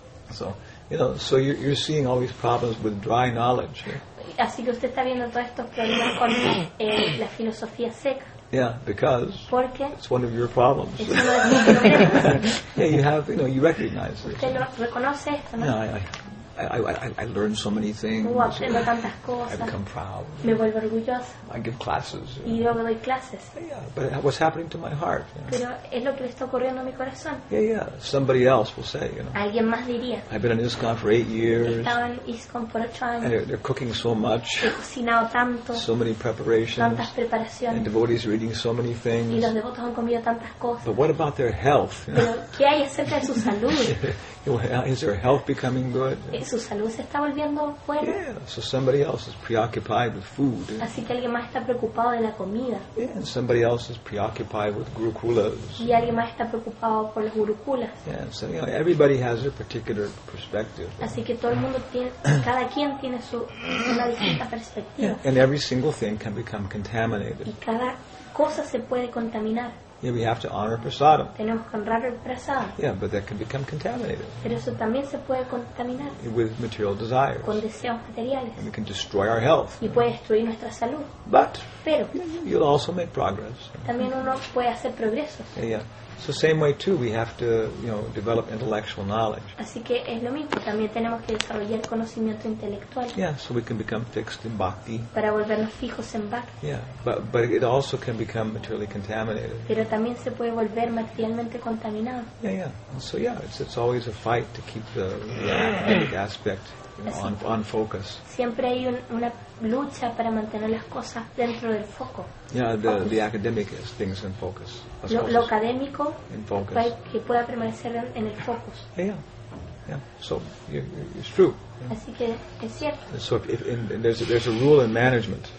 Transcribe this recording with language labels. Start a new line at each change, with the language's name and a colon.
English: So, you know, so you're seeing all these problems with dry knowledge. Yeah?
Spanish: Así que usted está viendo todos estos problemas con la filosofía seca.
English: Yeah, because
Spanish: porque
English: it's one of your problems. Yeah, you have, you know, you recognize
Spanish: this. Usted lo reconoce esto, ¿no?
English: Yeah, I learned so many things.
Spanish: Aprendo tantas cosas.
English: I become proud.
Spanish: Me vuelvo orgullosa.
English: I give classes.
Spanish: Y yo me doy clases.
English: Yeah, but what's happening to my heart? Yeah.
Spanish: Pero es lo que le está ocurriendo a mi corazón.
English: Yeah. Somebody else will say, you know.
Spanish: Alguien más diría.
English: I've been in ISKCON for 8 years.
Spanish: Estaba en ISKCON por 8 años.
English: And they're cooking so much.
Spanish: He cocinado tanto.
English: So many preparations.
Spanish: Tantas preparaciones.
English: And devotees are eating so many things.
Spanish: Y los devotos han comido tantas cosas.
English: But what about their health?
Spanish: Pero ¿qué hay acerca de su salud?
English: Is her health becoming good?
Spanish: ¿Su salud se está volviendo buena?
English: Yeah, so somebody else is preoccupied with food.
Spanish: Así que alguien más está preocupado de la comida.
English: Yeah, and somebody else is preoccupied with gurukulas.
Spanish: Y alguien más está preocupado por los gurukulas.
English: Yeah, so you know, everybody has a particular perspective.
Spanish: Así que todo el mundo tiene, cada quien tiene su una distinta perspectiva.
English: Yeah, and every single thing can become contaminated.
Spanish: Y cada cosa se puede contaminar.
English: Yeah, we have to honor prasadam.
Spanish: Tenemos que honrar el prasadam.
English: Yeah, but that can become contaminated.
Spanish: Pero eso también se puede contaminar.
English: With material desires.
Spanish: Con deseos materiales.
English: And we can destroy our health.
Spanish: Y puede destruir nuestra salud.
English: But.
Spanish: Pero.
English: You'll also make progress.
Spanish: También uno puede hacer progreso.
English: Yeah, yeah. So same way too, we have to, you know, develop intellectual knowledge.
Spanish: Así que es lo mismo. También tenemos que desarrollar conocimiento intelectual.
English: Yeah, so we can become fixed in bhakti.
Spanish: Para volvernos fijos en bhakti.
English: Yeah, but it also can become materially contaminated.
Spanish: Pero también se puede volver materialmente contaminado.
English: Yeah, yeah. So yeah, it's always a fight to keep the aspect, you know, on focus.
Spanish: Siempre hay una lucha para mantener las cosas dentro del foco.
English: Yeah, the academic is things in focus.
Spanish: Lo académico
English: in focus.
Spanish: Que pueda permanecer en el foco.
English: Yeah, yeah. So it's true. Yeah.
Spanish: Así que es cierto.
English: So if there's a rule in management.